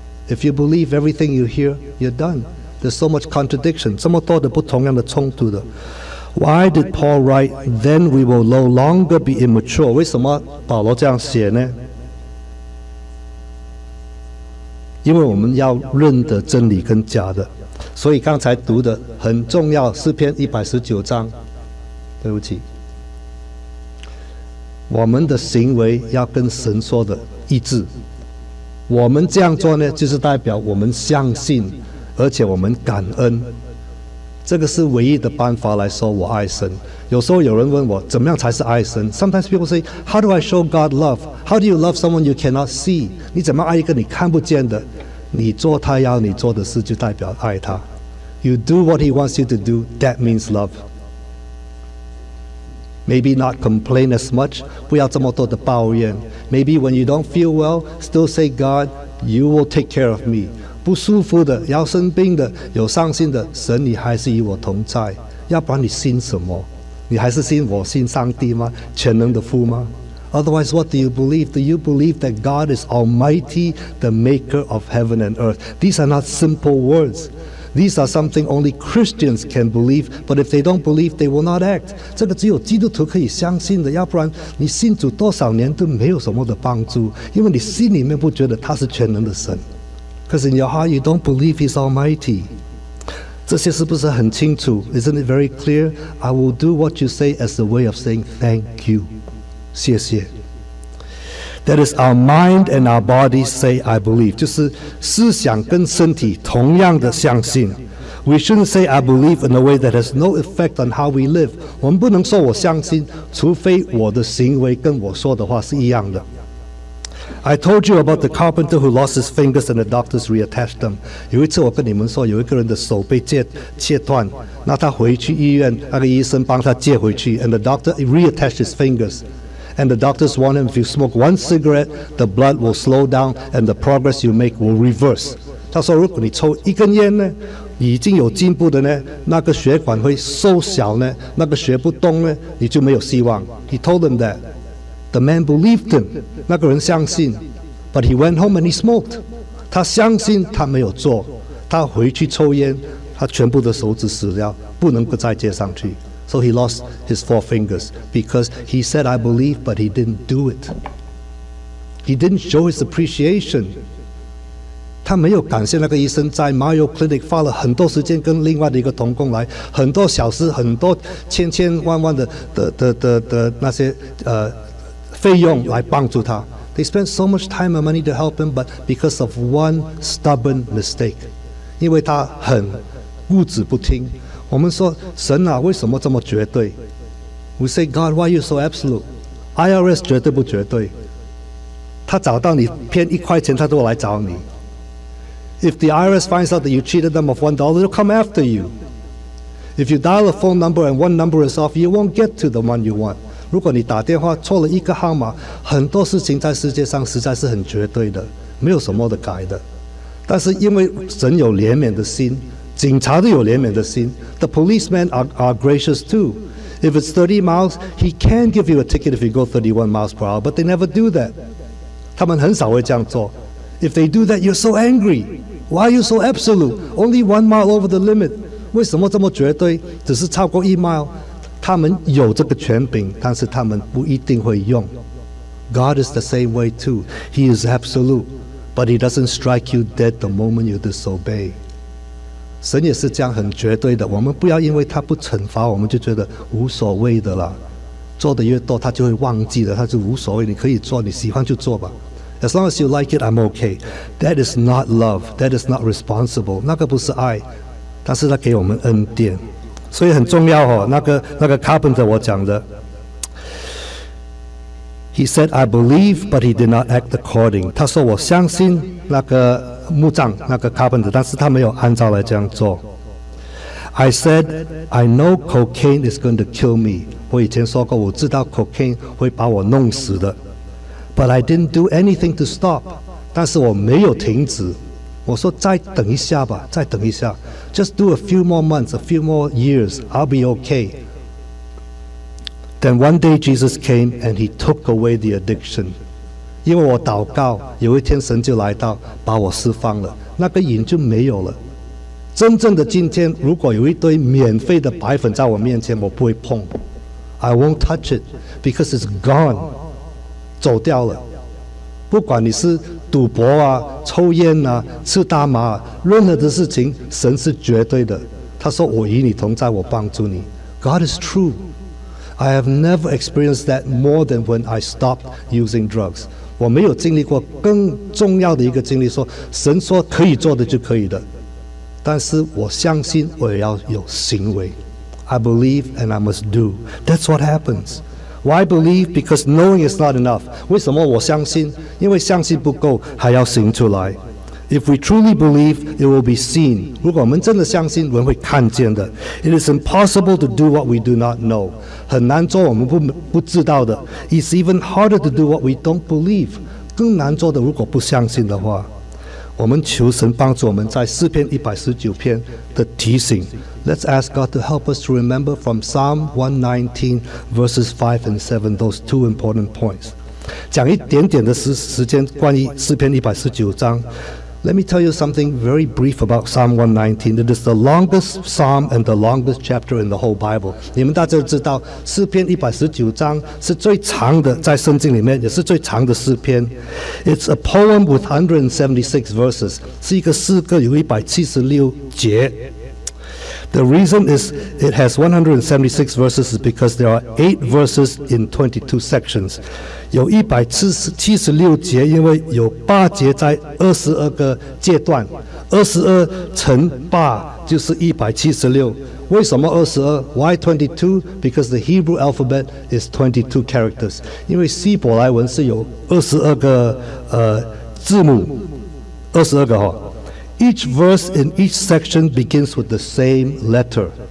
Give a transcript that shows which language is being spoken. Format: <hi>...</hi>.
<en>If you believe everything you hear, you're done. There's so much contradiction,</en> <zh>这么多的不同样的冲突的。</zh> <en>Why did Paul write, then we will no longer be immature?</en> <zh>为什么保罗这样写呢？因为我们要认得真理跟假的。所以刚才读的很重要，诗篇一百十九章，对不起，我们的行为要跟神说的一致。我们这样做呢，就是代表我们相信，而且我们感恩。这个是唯一的办法来说我爱神。有时候有人问我，怎么样才是爱神？</zh> <en>Sometimes people say, How do I show God love? How do you love someone you cannot see?</en> <zh>你怎么爱一个你看不见的？你做他要你做的事，就代表爱他。</zh> <en>You do what he wants you to do, that means love. Maybe not complain as much,</en> <zh>不要这么多的抱怨。</zh> <en>Maybe when you don't feel well, still say, God, you will take care of me.</en> <zh>不舒服的，要生病的，有伤心的，神你还是与我同在。要不然你信什么？你还是信我，信上帝吗？全能的父吗？</zh> <en>Otherwise, what do you believe? Do you believe that God is Almighty, the maker of heaven and earth? These are not simple words. These are something only Christians can believe, but if they don't believe, they will not act.</en> <zh>这个只有基督徒可以相信的，要不然你信主多少年都没有什么的帮助，因为你心里面不觉得他是全能的神。</zh> <en>Because in your heart, you don't believe he's Almighty.</en> <zh>这些是不是很清楚?</zh> <en>Isn't it very clear? I will do what you say as a way of saying thank you.</en> <zh>谢谢。</zh> <en>That is our mind and our body say I believe.</en> <zh>就是思想跟身体同样的相信。</zh> <en>We shouldn't say I believe in a way that has no effect on how we live.</en> <zh>我们不能说我相信，除非我的行为跟我说的话是一样的。</zh> <en>I told you about the carpenter who lost his fingers and the doctors reattached them.</en> <zh>有一次我跟你们说，有一个人的手被切断，那他回去医院，那个医生帮他接回去 ，</zh> <en>and the doctor reattached his fingers. And the doctors warned him, if you smoke one cigarette, the blood will slow down and the progress you make will reverse.</en> <zh>他说，如果你抽一根烟呢，已经有进步的呢，那个血管会缩小呢，那个血不动呢，你就没有希望。</zh> <en>He told them that. The man believed him,</en> <zh>那个人相信</zh> <en>but he went home and he smoked.</en> <zh>他相信他没有做，他回去抽烟，他全部的手指死掉，不能够再接上去。</zh> <en>So he lost his four fingers because he said, I believe, but he didn't do it. He didn't show his appreciation.</en> <zh>他没有感谢那个医生在 Mayo Clinic 花了很多时间跟另外的一个同工来，很多小时，很多千千万万的那些费用来帮助他。</zh> <en>They spent so much time and money to help him, but because of one stubborn mistake.</en> <zh>因为他很固执不听。我们说，神啊，为什么这么绝对？</zh> <en>We say, God, why are you so absolute?</en> <zh>IRS 绝对不绝对。他找到你骗一块钱，他都来找你。</zh> <en>If the IRS finds out that you cheated them of $1, they'll come after you. If you dial a phone number and one number is off, you won't get to the one you want.</en> <zh>如果你打电话错了一个号码，很多事情在世界上实在是很绝对的，没有什么的改的。但是因为神有怜悯的心，警察都有怜悯的心 ，</zh> <en>the policemen are gracious too. If it's 30 miles, he can give you a ticket if you go 31 miles per hour, but they never do that.</en> <zh>他们很少会这样做。</zh> <en>If they do that, you're so angry. Why are you so absolute? Only 1 mile over the limit.</en> <zh>为什么这么绝对？只是超过一 mile。他们有这个权柄，但是他们不一定会用。</zh> <en>God is the same way too. He is absolute, but he doesn't strike you dead the moment you disobey.</en> <zh>神也是这样很绝对的，我们不要因为他不惩罚我们就觉得无所谓的了。做的越多他就会忘记了，他就无所谓，你可以做，你喜欢就做吧。</zh> <en>As long as you like it, I'm okay. That is not love. That is not responsible.</en> <zh>那个不是爱，但是他给我们恩典。所以很重要哦，那个 carpenter 我讲的。</zh> <en>He said, I believe, but he did not act according.</en> <zh>他说我相信那个木匠，那个 carpenter, 但是他没有按照来这样做。</zh> <en>I said, I know cocaine is going to kill me.</en> <zh>我以前说过，我知道 cocaine 会把我弄死的。</zh> <en>But I didn't do anything to stop.</en> <zh>但是我没有停止。我说再等一下吧，再等一下。</zh> <en>Just do a few more months, a few more years, I'll be okay. Then one day Jesus came and he took away the addiction.</en> <zh>因为我祷告，有一天神就来到，把我释放了，那个瘾就没有了。真正的今天，如果有一堆免费的白粉在我面前，我不会碰。</zh> <en>I won't touch it because it's gone.</en> <zh>走掉了。不管你是赌博啊、抽烟啊、吃大麻、啊，任何的事情，神是绝对的。他说：“我与你同在，我帮助你。”</zh> <en>God is true. I have never experienced that more than when I stopped using drugs.</en> <zh>我没有经历过更重要的一个经历，说神说可以做的就可以的。但是我相信，我也要有行为。</zh> <en>I believe and I must do. That's what happens. Why believe? Because knowing is not enough.</en> <zh>为什么我相信？因为相信不够，还要行出来。</zh> <en>If we truly believe, it will be seen.</en> <zh>如果我们真的相信，人会看见的。</zh> <en>It is impossible to do what we do not know.</en> <zh>很难做我们不知道的。</zh> <en>It's even harder to do what we don't believe.</en> <zh>更难做的，如果不相信的话。我们求神帮助我们在诗篇119篇的提醒。</zh> <en>Let's ask God to help us to remember from Psalm 119 verses 5 and 7 those two important points.</en> <zh>讲一点点的时间关于诗篇119章。</zh> <en>Let me tell you something very brief about Psalm 119. It is the longest psalm and the longest chapter in the whole Bible.</en> <zh>你们大家都知道诗篇119章是最长的在圣经里面也是最长的诗篇。</zh> <en>It's a poem with 176 verses.</en> <zh>是一个诗歌有176节。</zh> <en>The reason is it has 176 verses is because there are 8 verses in 22 sections.</en> <zh>有176节, 因为有8节在22个阶段, 22乘8 就是176. 为什么22?</zh> <en>Why 22? Because the Hebrew alphabet is 22 characters.</en> <zh>因为希伯来文是有22个字母, 22个哦。</zh> <en>Each verse in each section begins with the same letter.</en>